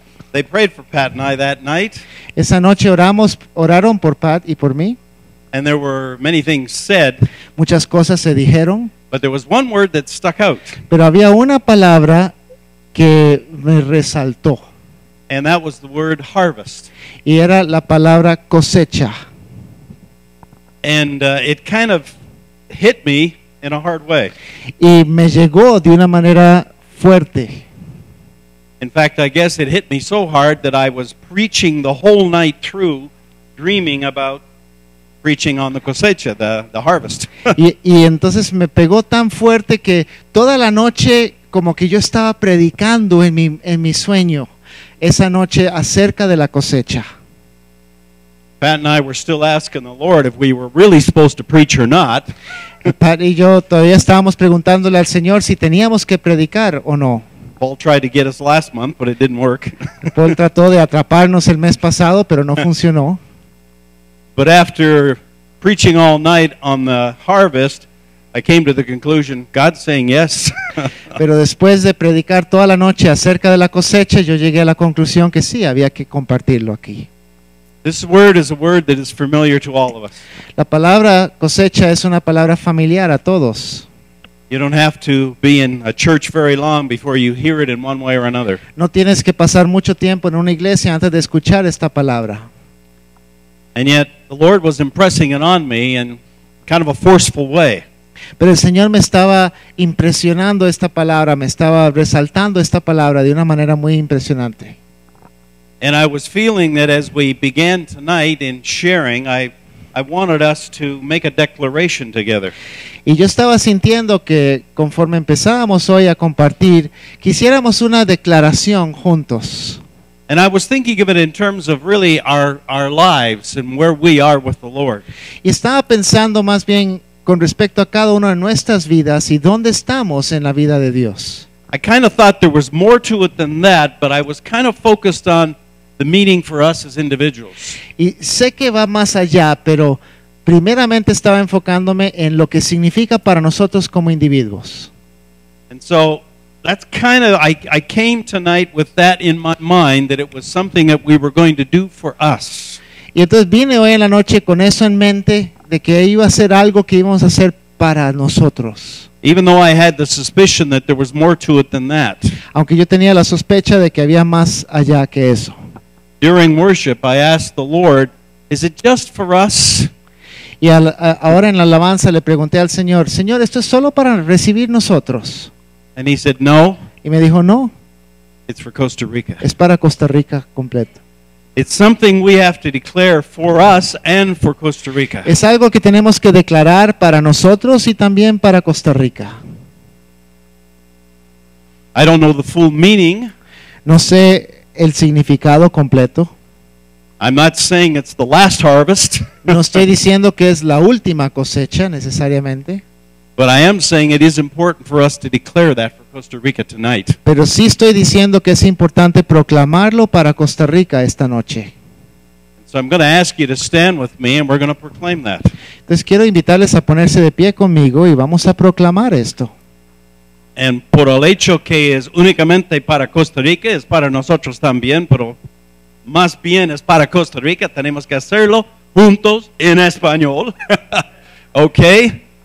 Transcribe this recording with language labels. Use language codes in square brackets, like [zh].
[en] They prayed for Pat and I that night. [es] Esa noche oraron por Pat y por mí. [en] And there were many things said. [es] Muchas cosas se dijeron. [en] But there was one word that stuck out. [es] Pero había una palabra que me resaltó. [en] And that was the word harvest. [es] Y era la palabra cosecha. [en] And it kind of hit me in a hard way. [es] Y me llegó de una manera fuerte. [en] In fact, I guess it hit me so hard that I was preaching the whole night through, dreaming about preaching on the cosecha, the harvest. [es] Y entonces me pegó tan fuerte que toda la noche como que yo estaba predicando en mi sueño esa noche acerca de la cosecha. [en] Pat and I were still asking the Lord if we were really supposed to preach or not. [es] Pat y yo todavía estábamos preguntándole al Señor si teníamos que predicar o no. [en] Paul tried to get us last month, but it didn't work. [es] Paul trató de atraparnos el mes pasado, pero no funcionó. [en] But after preaching all night on the harvest, I came to the conclusion, God's saying yes. [es] Pero después de predicar toda la noche acerca de la cosecha, yo llegué a la conclusión que sí, había que compartirlo aquí. [en] This word is a word that is familiar to all of us. [es] La palabra cosecha es una palabra familiar a todos. [en] You don't have to be in a church very long before you hear it in one way or another. [es] No tienes que pasar mucho tiempo en una iglesia antes de escuchar esta palabra. [en] And yet, the Lord was impressing it on me in kind of a forceful way. [es] Pero el Señor me estaba impresionando esta palabra, me estaba resaltando esta palabra de una manera muy impresionante. [en] And I was feeling that as we began tonight in sharing, I wanted us to make a declaration together. [es] Y yo estaba sintiendo que conforme empezábamos hoy a compartir, quisiéramos una declaración juntos. [en] And I was thinking of it in terms of really our lives and where we are with the Lord. [es] Y estaba pensando más bien con respecto a cada una de nuestras vidas y dónde estamos en la vida de Dios. [en] I kind of thought there was more to it than that, but I was kind of focused on the meaning for us as individuals. [es] Y sé que va más allá, pero primeramente estaba enfocándome en lo que significa para nosotros como individuos. [en] And so that's kind of I came tonight with that in my mind that it was something that we were going to do for us. [es] Y entonces vine hoy en la noche con eso en mente de que iba a ser algo que íbamos a hacer para nosotros. [en] Even though I had the suspicion that there was more to it than that. [es] Aunque yo tenía la sospecha de que había más allá que eso. [en] During worship, I asked the Lord, "Is it just for us?" [es] Y ahora en la alabanza le pregunté al Señor, "Señor, ¿esto es solo para recibir nosotros?" [en] And he said, "No." [es] Y me dijo, "No." [en] It's for Costa Rica. [es] Es para Costa Rica completo. [en] It's something we have to declare for us and for Costa Rica. [es] Es algo que tenemos que declarar para nosotros y también para Costa Rica. [en] I don't know the full meaning. [es] No sé el significado completo. [en] I'm not saying it's the last harvest. [es] No estoy diciendo que es la última cosecha necesariamente. [en] But I am saying it is important for us to declare that for Costa Rica tonight. [es] Pero sí estoy diciendo que es importante proclamarlo para Costa Rica esta noche. [en] So I'm going to ask you to stand with me and we're going to proclaim that. [es] Entonces quiero invitarles a ponerse de pie conmigo y vamos a proclamar esto. And por el hecho que es únicamente para Costa Rica, es para nosotros también, pero más bien es para Costa Rica, tenemos que hacerlo juntos en español. Okay?